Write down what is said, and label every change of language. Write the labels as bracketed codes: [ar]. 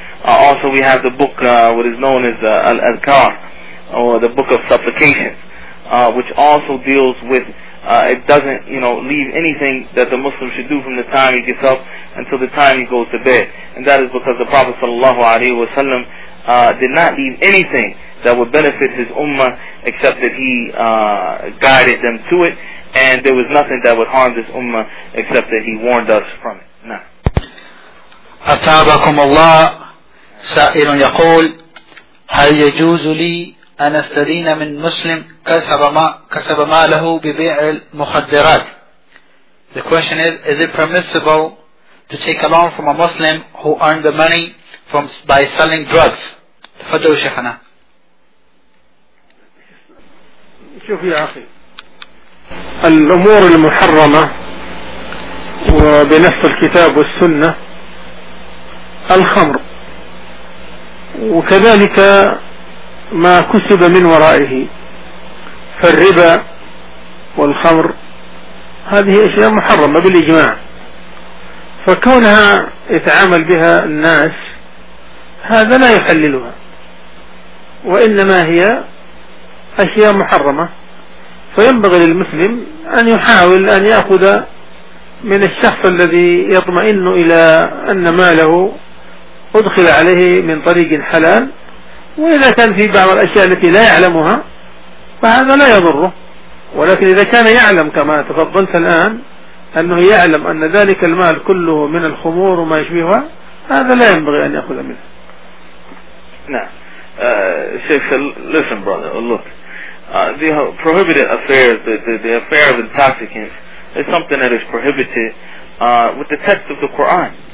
[en] Also, we have the book, what is known as Al-Adhkar, or the Book of Supplication, which also deals with, it doesn't, you know, leave anything that the Muslim should do from the time he gets up until the time he goes to bed. And that is because the Prophet sallallahu alaihi wasallam did not leave anything that would benefit his ummah except that he guided them to it, and there was nothing that would harm this ummah except that he warned us from it. Nah. [ar] أتابكم الله سائل يقول هل يجوز لي أن أستدين من مسلم كسب ماله ببيع المخدرات. [en] The question is it permissible to take a loan from a Muslim who earned the money from by selling drugs? [ar] تفضل شيخنا. شوف يا أخي، الأمور المحرمة وبنفس الكتاب والسنة الخمر وكذلك ما كسب من ورائه، فالربا والخمر هذه أشياء محرمة بالإجماع، فكونها يتعامل بها الناس هذا لا يحللها، وإنما هي أشياء محرمة، فينبغي للمسلم أن يحاول أن يأخذ من الشخص الذي يطمئن إلى أن ماله أدخل عليه من طريق حلال، وإذا كان في بعض الأشياء التي لا يعلمها فهذا لا يضره، ولكن إذا كان يعلم كما تفضلت الآن أنه يعلم أن ذلك المال كله من الخمور وما يشبهها هذا لا ينبغي أن يأخذ منه. نعم. [en] Sheikh, listen brother, look, the prohibited affairs, the affair of intoxicants is something that is prohibited with the text of the Quran.